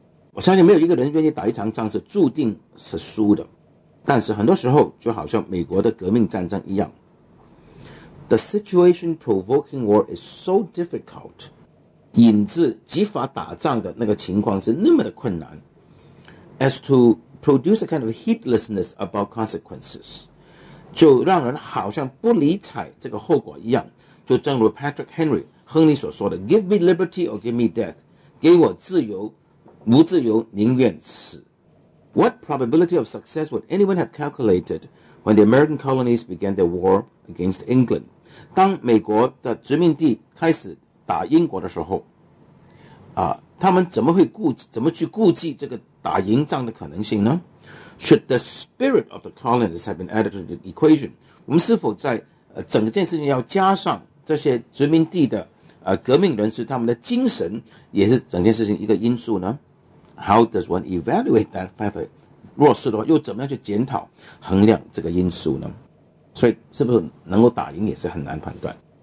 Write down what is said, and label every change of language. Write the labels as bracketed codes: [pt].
[zh] 我相信没有一个人愿意打一场仗是注定是输的。但是很多时候就好像美国的革命战争一样。 [en] The situation provoking war is so difficult. [zh] 引致激发打仗的那个情况是那么的困难。 [en] As to produce a kind of heedlessness about consequences. [zh] 就让人好像不理睬这个后果一样。就正如 Patrick Henry亨利所说的 [en] Give me liberty or give me death， [zh] 给我自由无自由宁愿死。 [en] What probability of success would anyone have calculated when the American colonies began their war against England？ [zh] 当美国的殖民地开始打英国的时候他们怎么去顾忌这个打赢仗的可能性呢？ [en] Should the spirit of the colonists have been added to the equation？ [zh] 我们是否在整件事情要加上这些殖民地的革命人士他们的精神也是整件事情一个因素呢？ [en] How does one evaluate that factor？ [zh] 若是的话又怎么样去检讨衡量这个因素呢？所以是不是能够打赢也是很难判断。